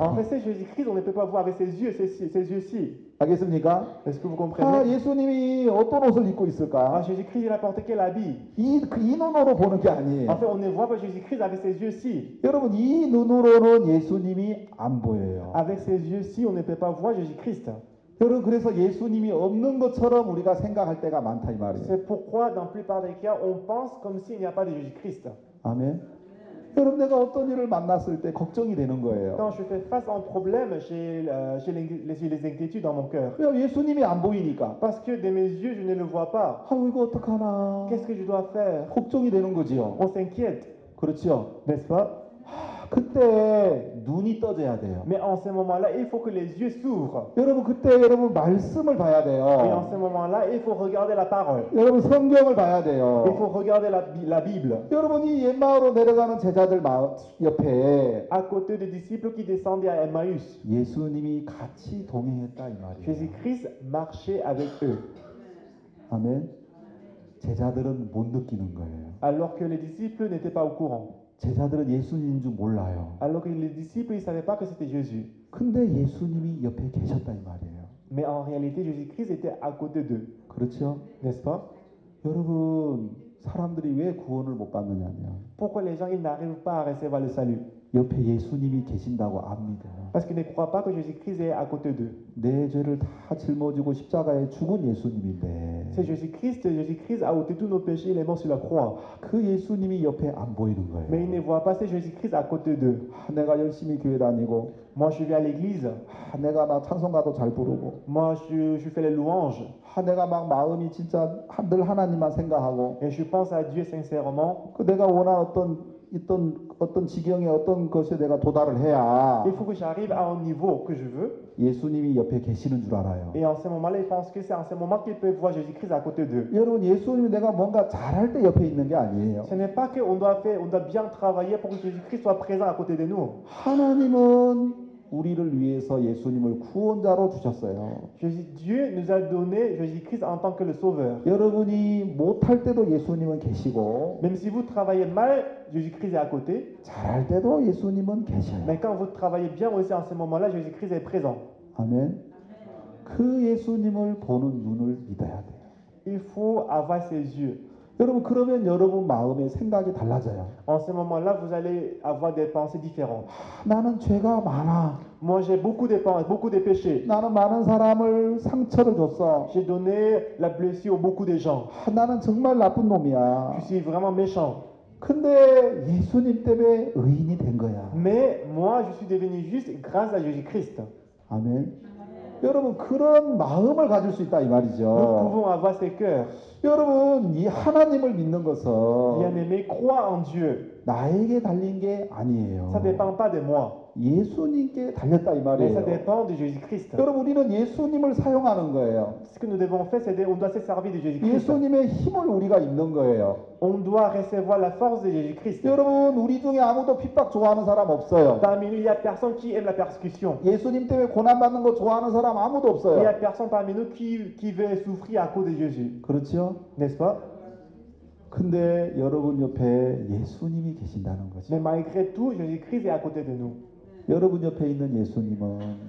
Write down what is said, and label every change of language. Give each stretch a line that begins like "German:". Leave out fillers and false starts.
French: En fait, c'est Jésus-Christ, on ne peut pas voir avec ses yeux, ses yeux-ci.
Korean: 알겠습니까?
French: Est-ce que vous comprenez?
Korean: 아, 예수님이 어떤 옷을 입고 있을까?
French: Jésus-Christ, il a porté quel habit?
Korean: 이 눈으로 보는 게 아니에요.
French: En fait, on ne voit pas Jésus-Christ avec ses yeux-ci.
Korean: 여러분 이 눈으로는 예수님이 안 보여요.
French: Avec ses yeux-ci, on ne peut pas voir Jésus-Christ.
Korean: 여러분 그래서 예수님이 없는 것처럼 우리가 생각할 때가 많다 이 말이에요.
French: C'est pourquoi dans la plupart des cas on pense comme s'il n'y a pas de Jésus-Christ.
Korean: 아멘. 여러분 내가 어떤 일을 만났을 때 걱정이 되는 거예요.
French: Quand je fais face à un problème, j'ai les inquiétudes dans mon cœur.
Korean: 왜 예수님이 안 보이니까?
French: Parce que de mes yeux je ne le vois pas.
Korean: 아, 이거 어떡하나?
French: Qu'est-ce que je dois faire?
Korean: 걱정이 되는 거지요.
French: On s'inquiète.
Korean: 그렇죠.
French: N'est-ce pas?
Korean: 그때 눈이 떠져야 돼요.
French: Mais en ce moment-là, il faut que les yeux s'ouvrent.
Korean: 여러분 그때 여러분 말씀을 봐야 돼요.
French: Et en ce moment-là, il faut regarder la parole.
Korean: 여러분 성경을 봐야 돼요.
French: Il faut regarder la Bible.
Korean: 여러분이 엠마오로 내려가는 제자들 옆에
French: à côté des disciples qui descendaient à Emmaüs.
Korean: 예수님이 같이 동행했다 이 말이에요.
French: Jésus-Christ marchait avec eux.
Korean: 아멘. 제자들은 못 느끼는 거예요.
French: Alors que les disciples n'étaient pas au courant.
Korean: 제자들은 예수님인 줄 몰라요.
French: Alors que les disciples ne savaient pas que c'était Jésus.
Korean: 근데 예수님이 옆에 계셨다 이 말이에요.
French: Mais en réalité, Jésus-Christ était à côté d'eux.
Korean: 그렇죠?
French: N'est-ce pas?
Korean: 여러분, 사람들이 왜 구원을 못 받느냐면
French: Pourquoi les gens n'arrivent pas à recevoir le salut?
Korean: 옆에 예수님이 계신다고 압니다.
French: Parce qu'ils ne croient pas que Jésus-Christ est à côté d'eux.
Korean: 내 죄를 다 짊어지고 십자가에 죽은 예수님인데.
French: C'est Jésus-Christ a ôté tous nos péchés, il est mort sur la croix.
Korean: 그 예수님이 옆에 안 보이는 거예요.
French: Mais ils ne voient pas, c'est Jésus-Christ à côté d'eux.
Korean: 아, 내가 열심히 교회 다니고.
French: Moi je vais à l'église.
Korean: 아, 내가 막 찬송가도 잘 부르고.
French: Moi je fais les louanges.
Korean: 아, 내가 막 마음이 진짜 늘 하나님만 생각하고.
French: Et je pense à Dieu sincèrement.
Korean: 그 내가 원하는 어떤 지경에 어떤 것에 내가 도달을 해야
French: Il faut que j'arrive à un niveau que je veux.
Korean: 예수님이 옆에 계시는 줄 알아요.
French: Et en ce moment-là, il pense que c'est en ce moment qu'il peut voir Jésus-Christ à côté d'eux.
Korean: 여러분, 예수님이 내가 뭔가 잘할 때 옆에 있는 게 아니에요.
French: Ce n'est pas que on doit bien travailler pour que Jésus-Christ soit présent à côté de nous.
Korean: 하나님은 우리를 위해서 예수님을 구원자로 주셨어요.
French: Dieu nous a donné Jésus-Christ en tant que le sauveur.
Korean: 여러분이 못할 때도 예수님은 계시고
French: même si vous travaillez mal, Jésus-Christ est à côté.
Korean: 잘할 때도 예수님은 계셔요.
French: Mais quand vous travaillez bien aussi en ce moment-là, Jésus-Christ est présent.
Korean: 아멘. 그 예수님을 보는 눈을 믿어야 돼요.
French: Il faut avoir ses yeux.
Korean: 여러분 그러면 여러분 마음의 생각이 달라져요.
French: En ce moment-là, vous allez avoir des pensées différentes.
Korean: 나는 죄가 많아.
French: Moi, j'ai beaucoup de péchés.
Korean: 나는 많은 사람을 상처를 줬어.
French: J'ai donné la blessure à beaucoup de gens.
Korean: 나는 정말 나쁜 놈이야.
French: Je suis vraiment méchant.
Korean: 근데 예수님 때문에 의인이 된 거야.
French: Mais moi, je suis devenu juste grâce à Jésus-Christ.
Korean: 아멘. 여러분 그런 마음을 가질 수 있다 이 말이죠.
French: Nous pouvons avoir ce cœur.
Korean: 여러분 이 하나님을 믿는 것은
French: bien-aimé, crois en Dieu.
Korean: 나에게 달린 게 아니에요.
French: Ça dépend pas de moi.
Korean: 예수님께 달렸다 이 말이에요.
French: Mais ça dépend de Jésus-Christ.
Korean: 여러분 우리는 예수님을 사용하는 거예요.
French: Ce que nous devons faire, c'est on doit se servir de Jésus-Christ.
Korean: 예수님의 힘을 우리가 입는 거예요.
French: On doit recevoir la force de Jésus-Christ.
Korean: 여러분 우리 중에 아무도 핍박 좋아하는 사람 없어요.
French: Parmi nous, il y a personne qui aime la persécution.
Korean: 예수님 때문에 고난 받는 거 좋아하는 사람 아무도 없어요.
French: Il y a personne parmi nous qui veut souffrir à cause de Jésus.
Korean: 그렇죠?
French: N'est-ce pas?
Korean: 근데 여러분 옆에 예수님이 계신다는 거죠.
French: Mais malgré tout, Jésus-Christ est à côté de nous.
Korean: 여러분 옆에 있는 예수님은